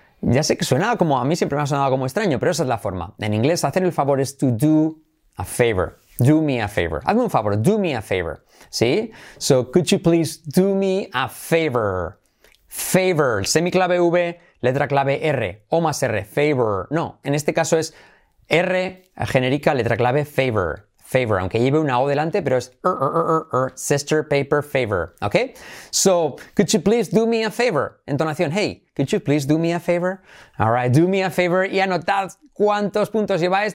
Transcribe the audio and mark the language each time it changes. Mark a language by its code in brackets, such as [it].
[es] Ya sé que suena como, a mí siempre me ha sonado como extraño, pero esa es la forma. En inglés, hacer el favor es [en] to do a favor. Do me a favor. [es] Hazme un favor, [en] do me a favor. Sí. So, could you please do me a favor? [es] Favor, semiclave V, letra clave R, O más R, favor. No, en este caso es R genérica, letra clave favor. Favor, aunque lleve una O delante, pero es sister, paper, favor. [en] ¿Ok? So, could you please do me a favor? Entonación, hey, could you please do me a favor? All right, do me a favor [es] y anotad cuántos puntos lleváis.